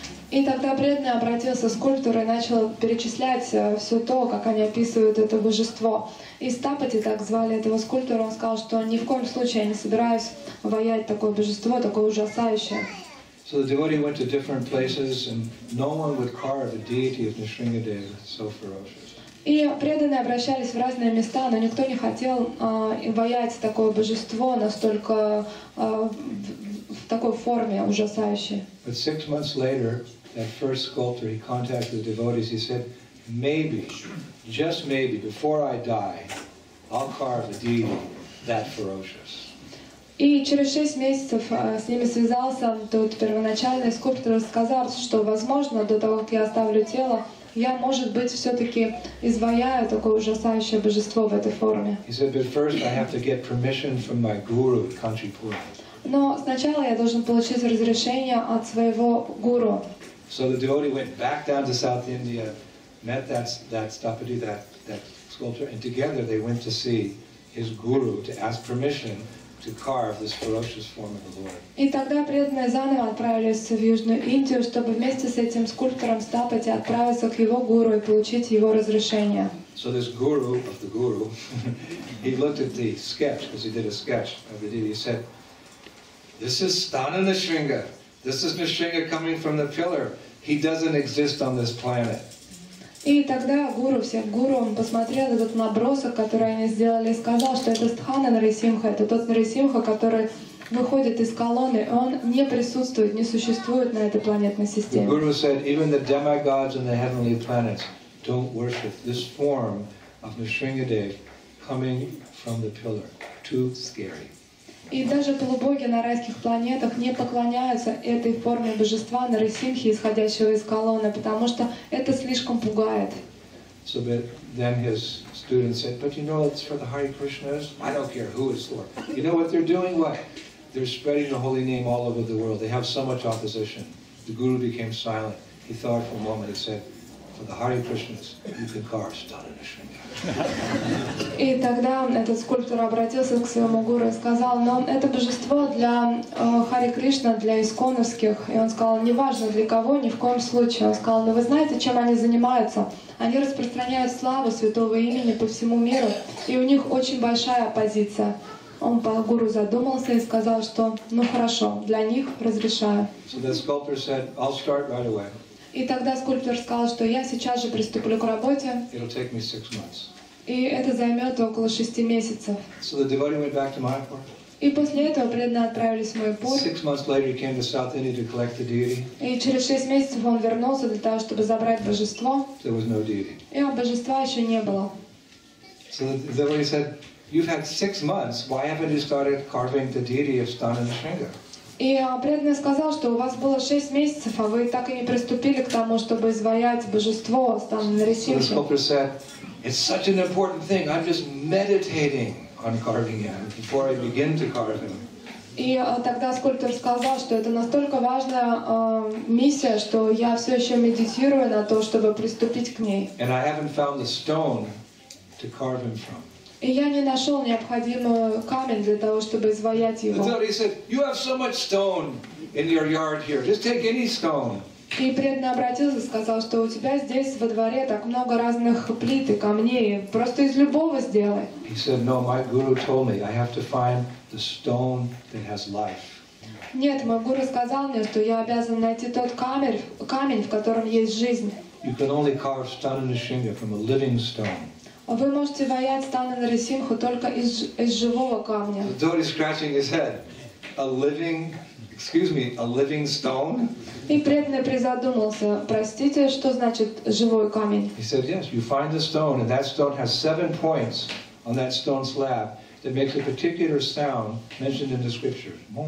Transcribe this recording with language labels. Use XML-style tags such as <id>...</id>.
<ru>И тогда преданный обратился к скульптору и начал перечислять все то, как они описывают это божество. И Стапати, так звали этого скульптора, он сказал, что ни в коем случае я не собираюсь ваять такое божество, такое ужасающее.</ru> <en>So the devotee went to different places, and no one would carve a deity of Nrisimhadeva so ferocious.</en> <ru>И преданные обращались в разные места, но никто не хотел ваять такое божество настолько в такой форме ужасающей.</ru> <en>But 6 months later, that first sculptor, he contacted the devotees. He said, maybe, just maybe, before I die, I'll carve a deity that ferocious.</en> <ru>И через 6 месяцев с ними связался тот первоначальный скульптор и сказал, что, возможно, до того, как я оставлю тело, я, может быть, все-таки изваяю такое ужасающее божество в этой форме.</ru> <en>He said, but first I have to get permission from my guru, Kanchipura.</en> <ru>Но сначала я должен получить разрешение от своего гуру.</ru> <en>So the devotee went back down to South India, met that Stapati, that sculptor, and together they went to see his guru to ask permission to carve this ferocious form of the Lord.</en> <ru>И тогда преданные заново отправились в Южную Индию, чтобы вместе с этим скульптором Стапати отправиться к его гуру и получить его разрешение.</ru> <en>So this guru of the guru, he looked at the sketch, because he did a sketch of the deity, he said, this is Stana Nrisimha. This is Nrisimha coming from the pillar. He doesn't exist on this planet.</en> <ru>И тогда гуру, всех гуру, он посмотрел этот набросок, который они сделали, и сказал, что это Стхана Нрисимха, это тот Нрисимха, который выходит из колонны, и он не присутствует, не существует на этой планетной системе.</ru> <en>Guru said, even the demigods and the heavenly planets don't worship this form of Nrisimhadev coming from the pillar. Too scary.</en> <ru>И даже полубоги на райских планетах не поклоняются этой форме божества Нарисимхи, исходящего из колонны, потому что это слишком пугает.</ru> <en>So then his student said, but you know it's for the Hare Krishnas? I don't care who it's for. You know what they're doing? What? They're spreading the holy name all over the world. They have so much opposition. The guru became silent. He thought for a moment and said, for the Hare Krishnas, you can carve Stana Nrisimha.</en> <ru>И тогда этот скульптор обратился к своему гуру и сказал, но это божество для Хари Кришна, для исконовских. И он сказал, неважно для кого, ни в коем случае. Он сказал, но вы знаете, чем они занимаются? Они распространяют славу святого имени по всему миру, и у них очень большая оппозиция. Он по гуру задумался и сказал, что ну хорошо, для них разрешаю.</ru> <en>So the sculptor said, I'll start right away.</en> <ru>И тогда скульптор сказал, что я сейчас же приступлю к работе.</ru> <en>It'll take me 6 months.</en> <ru>И это займет около 6 месяцев.</ru> <en>So the devotee went back to Mayapur.</en> <ru>И после этого преданные отправились в Майпур.</ru> <en>6 months later, he came to South India to collect the deity.</en> <ru>И через 6 месяцев он вернулся для того, чтобы забрать божество.</ru> <en>There was no deity.</en> <ru>И божества еще не было.</ru> <en>So the devotee said, "You've had 6 months. Why haven't you started carving the deity of Stana Nrisimha?"</en> <ru>И преданный сказал, что у вас было 6 месяцев, а вы так и не приступили к тому, чтобы изваять божество Стана</ru> <en>Нрисимхи. It's such an important thing. I'm just meditating on carving him before I begin to carve him.</en> <ru>И тогда скульптор сказал, что это настолько важная миссия, что я все еще медитирую на то, чтобы приступить к ней.</ru> <en>And I haven't found the stone to carve him from.</en> <ru>И я не нашел необходимый камень для того, чтобы изваять его.</ru> <en>The devotee said, "You have so much stone in your yard here. Just take any stone."</en> <ru>И преданный обратился и сказал, что у тебя здесь во дворе так много разных плит и камней, просто из любого сделай.</ru> <en>He said, "No, my guru told me I have to find the stone that has life."</en> <ru>Нет, мой гуру сказал мне, что я обязан найти тот камень, в котором есть жизнь.</ru> <en>You can only carve Stana Nrisimha from a living stone.</en> <ru>Вы можете ваять Стана Нрисимху только из живого камня.</ru> <en>The devotee scratching his head, a living stone.</en> <ru>И преданный призадумался, простите, что значит живой камень?</ru> <en>He said, yes, you find the stone, and that stone has 7 points on that stone slab that makes a particular sound mentioned in the scriptures.</en>